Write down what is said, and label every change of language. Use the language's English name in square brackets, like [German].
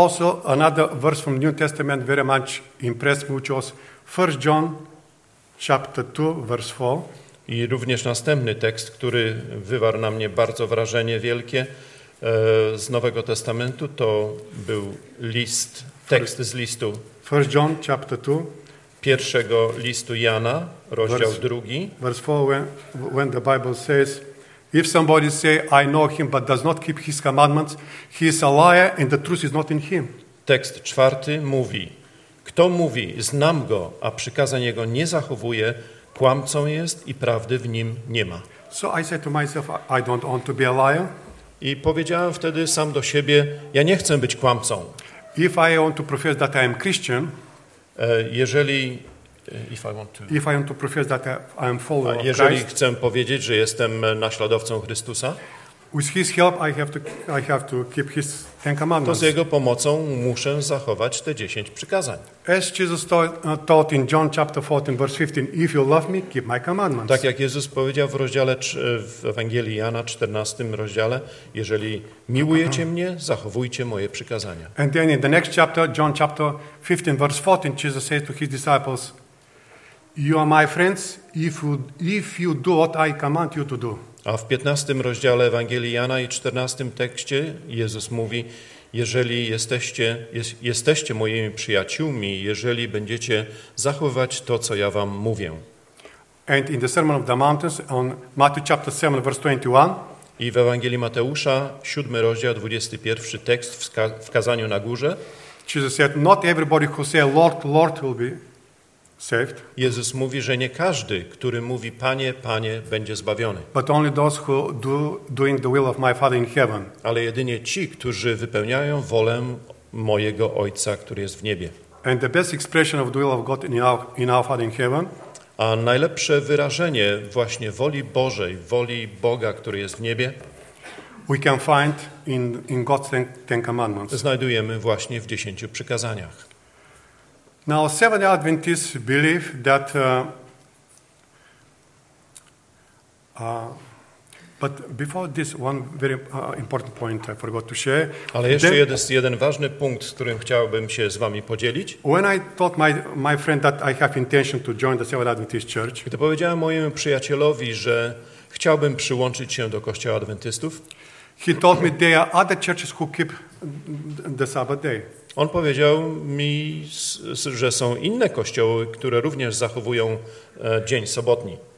[English] Also another verse from New Testament very much impressed me, which was 1 John chapter 2 verse 4. [Polish] I również następny tekst, który wywarł na mnie bardzo wrażenie wielkie z Nowego Testamentu, to był list, tekst z listu [English] 1 John chapter 2, [Polish] pierwszego listu Jana, rozdział 2. [English] Verse 4, when the Bible says, if somebody say, I know him, but does not keep his commandments, he is a liar and the truth is not in him. [Polish] Tekst 4 mówi, kto mówi, znam go, a przykazań jego nie zachowuje, kłamcą jest i prawdy w nim nie ma. [English] So I said to myself, I don't want to be a liar. [Polish] I powiedziałem wtedy sam do siebie, ja nie chcę być kłamcą. [English] If I want to profess that I am Christian, [Polish] jeżeli [English] if I want to profess that I am follower of Christ, [Polish] jeżeli chcę powiedzieć, że jestem naśladowcą Chrystusa, [English] With his help I have to keep his 10 commandments. [Polish] To z jego pomocą muszę zachować te 10 przykazań. [English] As Jesus taught in John chapter 14 verse 15, if you love me, keep my commandments. [Polish] Tak jak Jezus powiedział w rozdziale w Ewangelii Jana 14 rozdziale, jeżeli miłujecie mnie, zachowujcie moje przykazania. [English] And then in the next chapter, John chapter 15 verse 14, Jesus says to his disciples, you are my friends if you do what I command you to do. [Polish] A w 15 rozdziale Ewangelii Jana i 14 tekście Jezus mówi, jeżeli jesteście moimi przyjaciółmi, jeżeli będziecie zachowywać to, co ja wam mówię. [English] And in the Sermon of the Mountains on Matthew chapter 7 verse 21. [Polish] I w Ewangelii Mateusza 7 rozdział 21 tekst w kazaniu na górze. [English] Jesus said, not everybody who says Lord, Lord will be saved. [Polish] Jezus mówi, że nie każdy, który mówi Panie, Panie, będzie zbawiony. [English] But only those who do doing the will of my Father in heaven. [Polish] Ale jedynie ci, którzy wypełniają wolę mojego Ojca, który jest w niebie. [English] And the best expression of the will of God in our Father in heaven. [Polish] A najlepsze wyrażenie właśnie woli Bożej, woli Boga, który jest w niebie. [English] We can find in God's ten commandments. [Polish] Znajdujemy właśnie w 10 przykazaniach. [English] Now Seventh-day Adventists believe that but before this one very important point I forgot to share. [Polish] Ale jeszcze jeden ważny punkt, którym chciałbym się z wami podzielić. [English] When I told my friend that I have intention to join the Seventh-day Adventist church. [Polish] Gdy powiedziałem mojemu przyjacielowi, że chciałbym przyłączyć się do kościoła adwentystów. [English] He told me there are other churches who keep the Sabbath day. [Polish] On powiedział mi, że są inne kościoły, które również zachowują dzień sobotni.